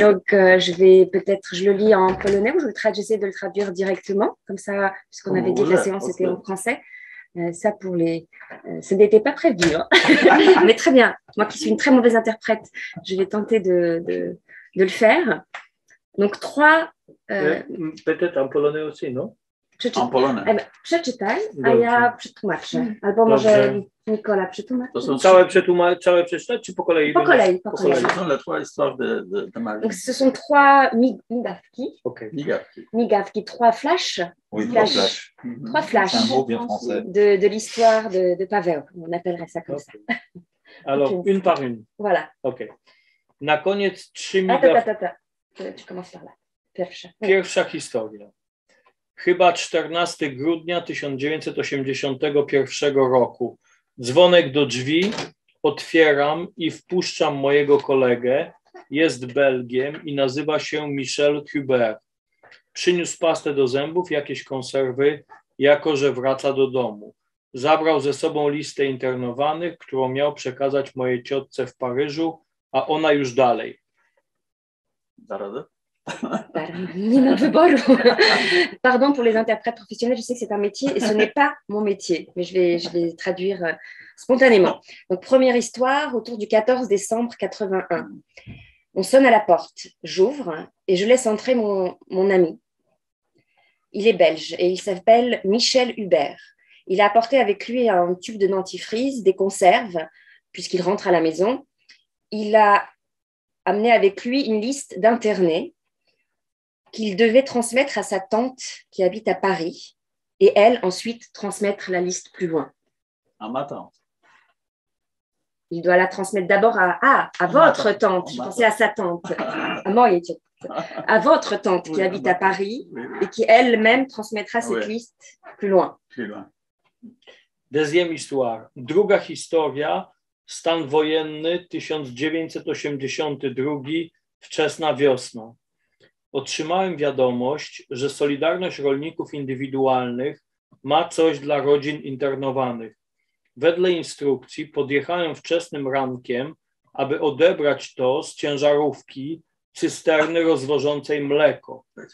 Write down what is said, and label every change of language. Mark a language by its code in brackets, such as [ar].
[fr] Donc, je le lis en polonais ou j'essaie de le traduire directement, comme ça, puisqu'on avait dit que la séance était en français. Ce n'était pas prévu, hein. Mais très bien. Moi qui suis une très mauvaise interprète, je vais tenter de le faire. Donc, trois. Peut-être en polonais aussi, non? En polonais. [pl] Przeczytaj, a ja przetłumaczę. Albo może Nikola przetłumaczy. To są całe przetłumaczyć, całe przeczytać, czy po kolei? Po kolei, po kolei. To są trzy historie de Marie. [fr] Donc, ce sont trois migawki. Ok, [pl] migawki. [fr] Migawki, trois flashs. Oui, flash. Trois flashs. Mm-hmm. Trois flashs. C'est un mot bien français. De l'histoire de Paweł, on appellerait ça comme okay. ça. Alors, okay. Une par une. Voilà. [pl] Ok. Na koniec trzy migawki. [fr] Attends. Tu commences par là. [pl] Pierwsza. Pierwsza historia. Chyba 14 grudnia 1981 roku. Dzwonek do drzwi, otwieram i wpuszczam mojego kolegę. Jest Belgiem i nazywa się Michel Hubert. Przyniósł pastę do zębów, jakieś konserwy, jako że wraca do domu. Zabrał ze sobą listę internowanych, którą miał przekazać mojej ciotce w Paryżu, a ona już dalej. Zaraz. [fr] Ni n'en veux pas. Pardon pour les interprètes professionnels, je sais que c'est un métier et ce n'est pas mon métier, mais je vais traduire spontanément. Donc, première histoire, autour du 14 décembre 81. On sonne à la porte, j'ouvre et je laisse entrer mon ami. Il est belge et il s'appelle Michel Hubert. Il a apporté avec lui un tube de dentifrice, des conserves, puisqu'il rentre à la maison. Il a amené avec lui une liste d'internés qu'il devait transmettre à sa tante qui habite à Paris et elle ensuite transmettre la liste plus loin. À ma tante. Il doit la transmettre d'abord à votre tante. Je pensais à sa tante. À votre tante qui habite à Paris et qui elle-même transmettra cette liste plus loin. Deuxième histoire. [pl] Druga historia. Stan wojenny 1982, wczesna wiosna. Otrzymałem wiadomość, że Solidarność Rolników Indywidualnych ma coś dla rodzin internowanych. Wedle instrukcji podjechałem wczesnym rankiem, aby odebrać to z ciężarówki cysterny rozwożącej mleko.